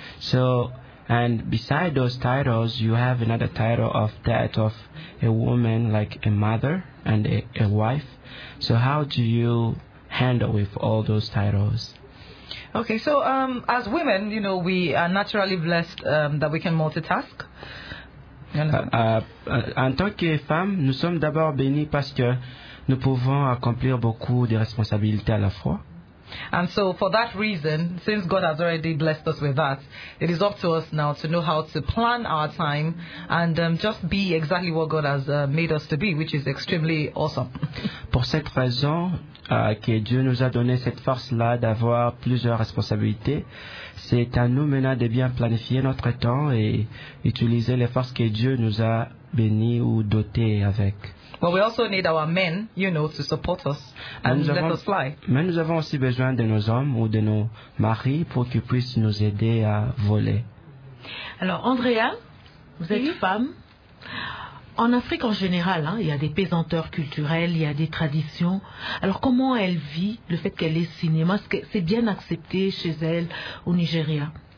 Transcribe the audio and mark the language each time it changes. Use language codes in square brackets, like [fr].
[en] So, and beside those titles, you have another title of that of a woman, like a mother and a wife. So how do you handle with all those titles? Okay, so as women, you know, we are naturally blessed that we can multitask. [fr] En tant que femme, nous sommes d'abord bénis parce que nous pouvons accomplir beaucoup de responsabilités à la fois. [en] And so for that reason, since God has already blessed us with that, it is up to us now to know how to plan our time and just be exactly what God has made us to be, which is extremely awesome. [fr] Pour cette raison que Dieu nous a donné cette force-là d'avoir plusieurs responsabilités, c'est à nous maintenant de bien planifier notre temps et utiliser les forces que Dieu nous a bénis ou dotés avec. [en] But we also need our men, you know, to support us and [fr] nous [en] let us fly. [fr] Mais nous avons aussi besoin de nos hommes ou de nos maris pour qu'ils puissent nous aider à voler. Alors, Andrea, vous êtes femme. En Afrique en général, hein, il y a des pesanteurs culturelles, il y a des traditions. Alors, comment elle vit le fait qu'elle est cinéma? Est-ce que c'est bien accepté chez elle au Nigeria?